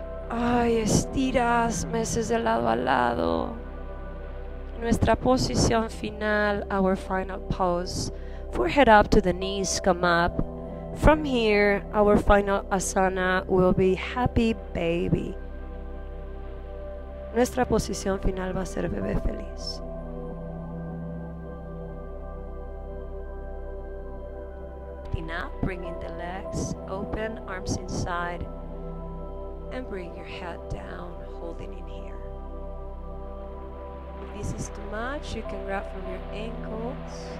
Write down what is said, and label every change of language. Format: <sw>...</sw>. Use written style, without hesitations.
<es>Ay, estiras, meces de lado a lado. Nuestra posición final,</es> <en>our final pose. Forehead up to the knees, come up. From here, our final asana will be happy baby.</en> <es>Nuestra posición final va a ser bebé feliz.</es> <en>Now, bringing the legs open, arms inside, and bring your head down, holding in here. If this is too much, you can grab from your ankles.</en>